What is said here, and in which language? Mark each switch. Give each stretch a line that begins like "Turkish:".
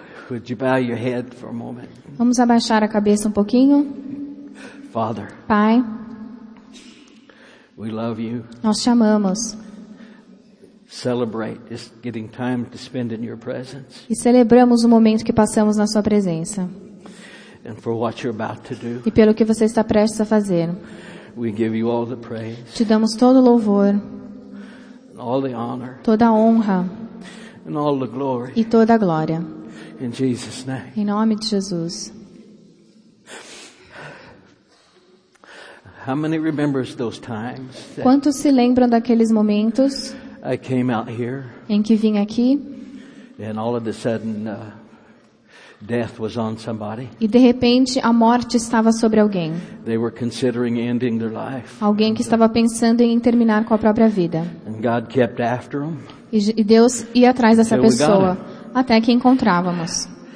English: Would you bow your head for a moment?
Portuguese: Vamos abaixar a cabeça pouquinho.
English: Father,
Portuguese: Pai,
English: we love you.
Portuguese: Nós te amamos.
English: Celebrate just getting time to spend in your presence.
Portuguese: E celebramos o momento que passamos na sua presença.
English: And for what you're about to do.
Portuguese: E pelo que você está prestes a fazer.
English: We give you all the praise.
Portuguese: Te damos todo o louvor.
English: And all the honor.
Portuguese: Toda a honra.
English: And all the glory.
Portuguese: E toda a glória.
English: In Jesus name.
Portuguese: Em nome de Jesus.
English: How many remembers those times?
Portuguese: Quantos se lembram daqueles momentos?
English: I came out here.
Portuguese: Em que vim aqui?
English: And all of a sudden, death was on somebody.
Portuguese: E de repente a morte estava sobre alguém.
English: They were considering ending their life.
Portuguese: Alguém que estava pensando em terminar com a própria vida.
English: And God kept after them.
Portuguese: E Deus ia atrás dessa pessoa até que encontrávamos.